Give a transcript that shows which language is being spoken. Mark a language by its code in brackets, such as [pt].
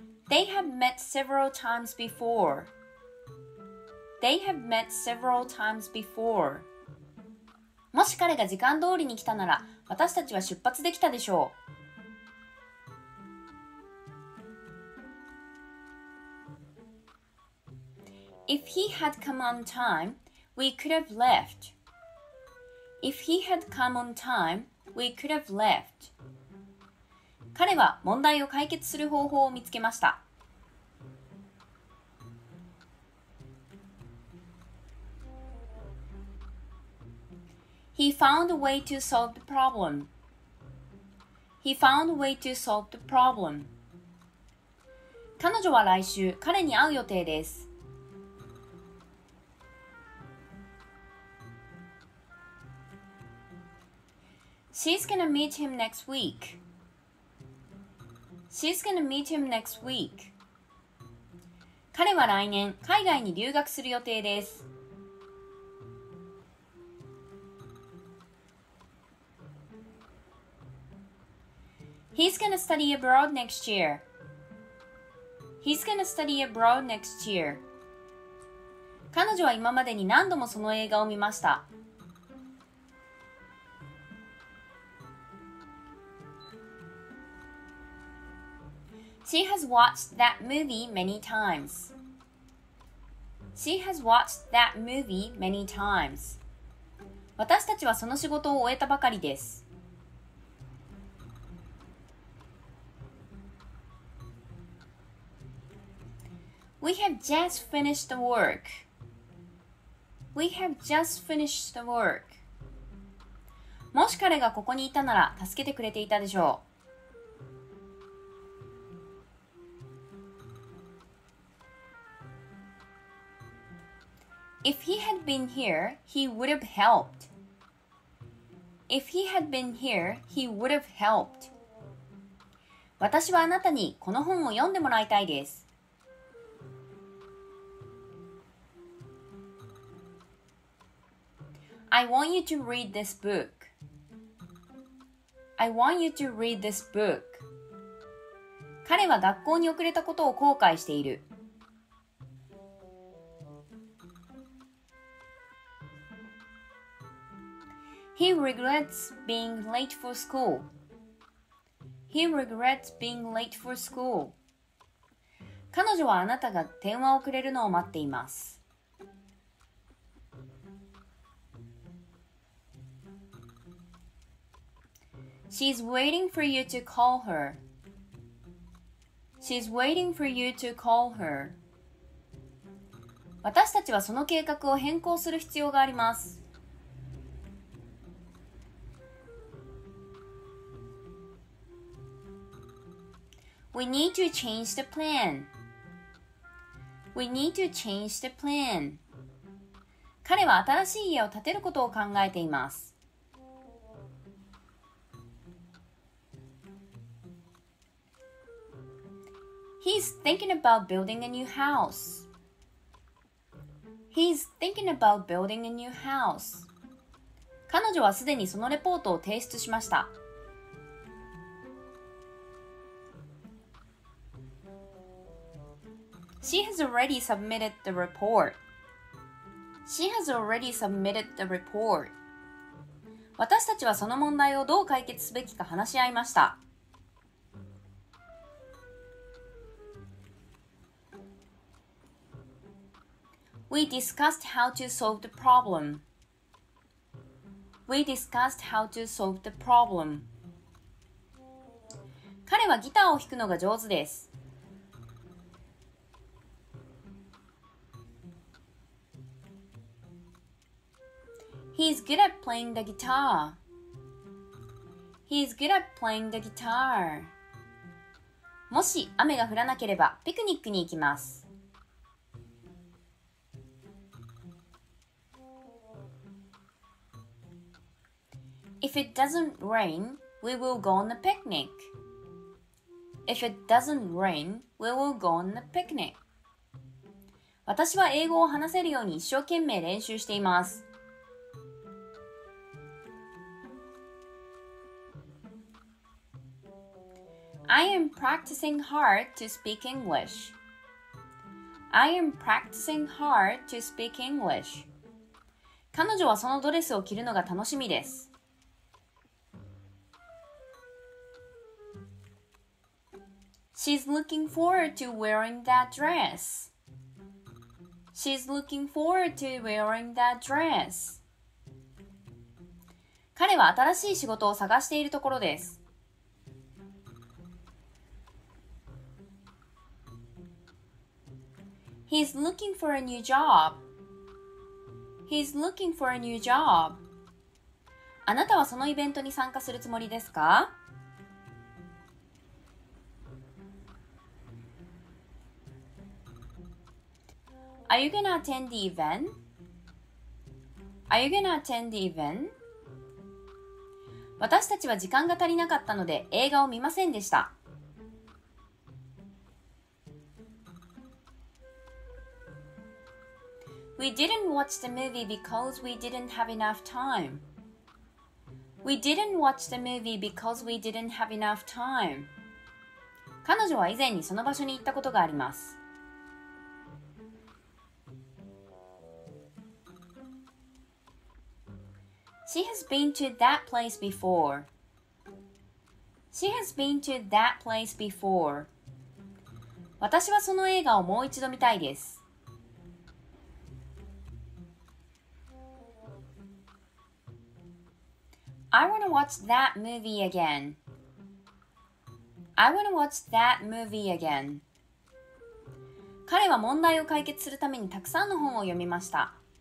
[en] They have met several times before. They have met several times before. [ja] もし彼が時間通りに来たなら、私たちは出発できたでしょう。 [en] If he had come on time, we could have left. If he had come on time, we could have left. [ja] 彼は問題を解決する方法を見つけました。 [en] He found a way to solve the problem. He found a way to solve the problem. [ja] 彼女は来週彼に会う予定です。 [en] She's gonna meet him next week. She's gonna meet him next week. [ja] 彼は来年海外に留学する予定です。 [en] He's gonna study abroad next year. He's gonna study abroad next year. [ja] 彼女は今までに何度もその映画を見ました。 [en] She has watched that movie many times. She has watched that movie many times. [ja] 私たちはその仕事を終えたばかりです。 [en] We have just finished the work. We have just finished the work. [ja] もし彼がここにいたなら助けてくれていたでしょう。 [en] If he had been here, he would have helped. If he had been here, he would have helped. [ja] 私はあなたにこの本を読んでもらいたいです。 [en] I want you to read this book. I want you to read this book. [ja] 彼は学校に遅れたことを後悔している。 [en] He regrets being late for school. He regrets being late for school. [ja] 彼女はあなたが電話をくれるのを待っています。 [en] She's waiting for you to call her. She's waiting for you to call her. [ja] 私たちはその計画を変更する必要があります。 [en] We need to change the plan. We need to change the plan. [ja] 彼は新しい家を建てることを考えています。 [en] He's thinking about building a new house. He's thinking about building a new house. [ja] 彼女はすでにそのレポートを提出しました。 [en] She has already submitted the report. She has already submitted the report. [ja] 私たちはその問題をどう解決すべきか話し合いました。 [en] We discussed how to solve the problem. We discussed how to solve the problem. [ja] 彼はギターを弾くのが上手です。 [en] He's good at playing the guitar. He's good at playing the guitar. [ja] もし雨が降らなければピクニックに行きます。 [en] If it doesn't rain, we will go on a picnic. If it doesn't rain, we will go on a picnic. [ja] 私は英語を話せるように一生懸命練習しています。 [en] I am practicing hard to speak English. I am practicing hard to speak English. [ja] 彼女はそのドレスを着るのが楽しみです。 [en] She's looking forward to wearing that dress. She's looking forward to wearing that dress. [ja] 彼は新しい仕事を探しているところです。 [en] He's looking for a new job. He's looking for a new job. [ja] あなたはそのイベントに参加するつもりですか？ [en] Are you gonna attend the event? Are you gonna attend the event? [ja] 私たちは時間が足りなかったので映画を見ませんでした。 [en] We didn't watch the movie because we didn't have enough time. We didn't watch the movie because we didn't have enough time. [ja] 彼女は以前にその場所に行ったことがあります。 [en] She has been to that place before. She has been to that place before. [ja] 私はその映画をもう一度見たいです。 [en] I want to watch that movie again. I want to watch that movie again. [ja] 彼は問題を解決するためにたくさんの本を読みました。